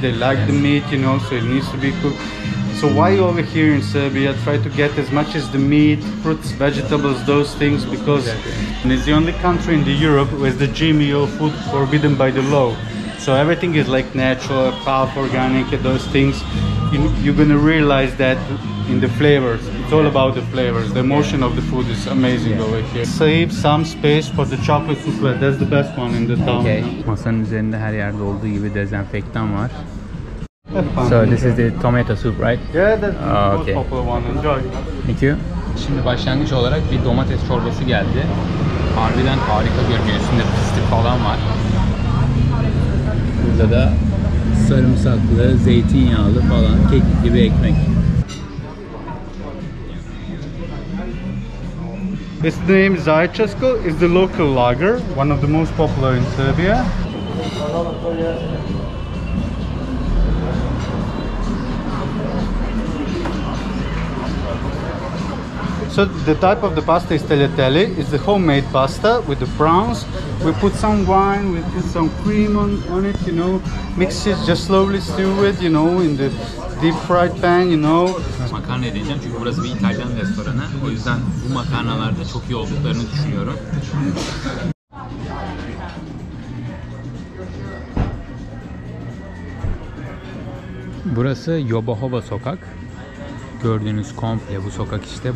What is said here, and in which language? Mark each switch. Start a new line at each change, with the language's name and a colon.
English: They like the meat, you know, so it needs to be cooked. So why over here in Serbia try to get as much as the meat, fruits, vegetables, those things, because it's the only country in the Europe where the GMO food forbidden by the law. So everything is like natural, half organic, those things. You're gonna realize that in the flavors. It's all about the flavors. The emotion of the food is amazing over here. Save some space for the chocolate souffle. That's the best one in the town. Okay.
Turkish: Masanın üzerinde her yerde olduğu gibi dezenfektan var.
English: So this is the tomato soup, right? Yeah, that's the most popular one. Enjoy. Thank you.
Turkish: Şimdi başlangıç olarak bir domates çorbası geldi. Harbiden harika görünüyor. Üstünde pislik falan var. Burada da sarımsaklı, zeytinyağlı falan kekik gibi ekmek.
English: His name is Ajčesko. It's the local lager, one of the most popular in Serbia. So the type of the pasta is tagliatelle. It's the homemade pasta with the prawns. We put some wine, we put some cream on it, you know. Mix it, just slowly stew it, you know, in the deep fried pan, you know.
Turkish: Makarna edeceğim çünkü burası bir İtalyan restoranı. O yüzden bu makarnalarda çok iyi olduklarını düşünüyorum. Burası Yobahova sokak. Gördüğünüz komple bu sokak işte.